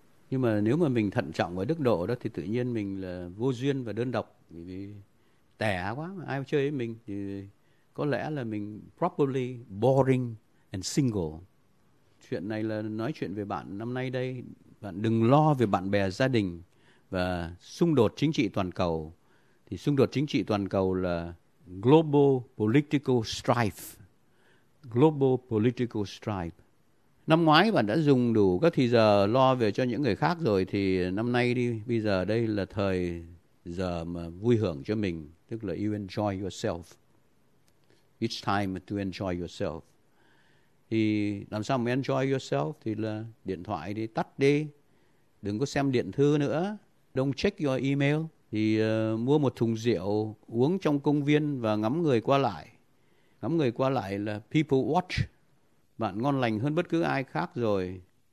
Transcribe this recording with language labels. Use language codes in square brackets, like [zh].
[vi] Nhưng mà nếu mà mình thận trọng và đức độ đó thì tự nhiên mình là vô duyên và đơn độc, vì tẻ quá, ai chơi với mình thì có lẽ là mình properly boring and single. Chuyện này là nói chuyện về bạn năm nay đây. Bạn đừng lo về bạn bè gia đình và xung đột chính trị toàn cầu. Thì xung đột chính trị toàn cầu là global political strife. [en] Global political strife. [vi] Năm ngoái bạn đã dùng đủ các thì giờ lo về cho những người khác rồi. Thì năm nay đi, bây giờ đây là thời giờ mà vui hưởng cho mình. [en] Tức là you enjoy yourself. It's time to enjoy yourself. [vi] Thì làm sao mà enjoy yourself? Thì là điện thoại đi, tắt đi. Đừng có xem điện thư nữa. Don't check your email. Thì mua một thùng rượu, uống trong công viên và ngắm người qua lại. Ngắm người qua lại là people watch. Bạn ngon lành hơn bất cứ ai khác rồi.